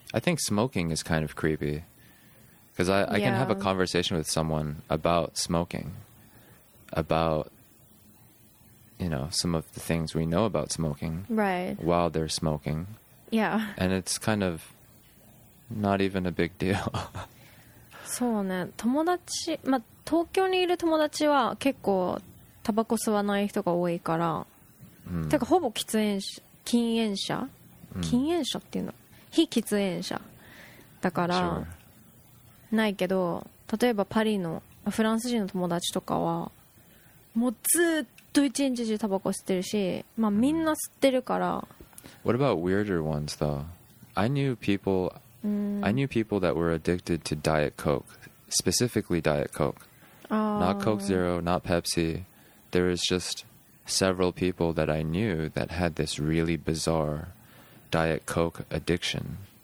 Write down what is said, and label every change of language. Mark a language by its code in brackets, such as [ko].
[en] I think smoking is kind of creepy. Because I can have a conversation with someone about smoking, about, you know, some of the things we know about smoking. Right. While they're smoking. Yeah. And it's kind of not even a big deal. [ja] そうね。友達、まあ、東京にいる友達は結構タバコ吸わない人が多いから、うん、てかほぼ喫煙者、禁煙者、うん、禁煙者っていうの、非喫煙者だから、 [en] sure. [ja] ないけど、例えばパリのフランス人の友達とかはもうずっと一日中タバコ吸ってるし、まあ、みんな吸ってるから。 [en] What about weirder ones though? I knew people that were addicted to Diet Coke, specifically Diet Coke. Not Coke Zero, not Pepsi. There was just several people that I knew that had this really bizarre Diet Coke addiction.